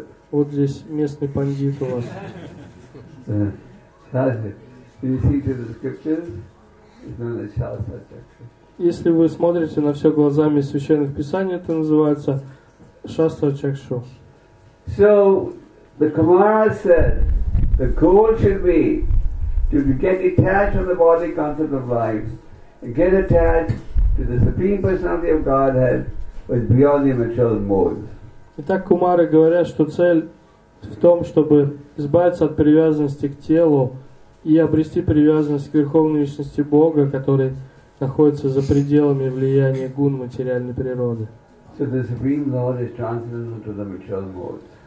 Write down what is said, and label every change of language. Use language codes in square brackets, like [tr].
[ru] Вот здесь местный пандит у вас. Если вы смотрите на все глазами священных писаний, это называется Шастра Чакшу. [en] So the Kumara said the goal should be to get detached from the body concept of life and get attached to the Supreme Personality of Godhead, which is beyond the material mode. [ru] Итак, Кумары говорят, что цель в том, чтобы избавиться от привязанности к телу и обрести привязанность к Верховной Личности Бога, который находится за пределами влияния гун материальной природы. [en] So the Supreme Lord is transcendental to the material mode.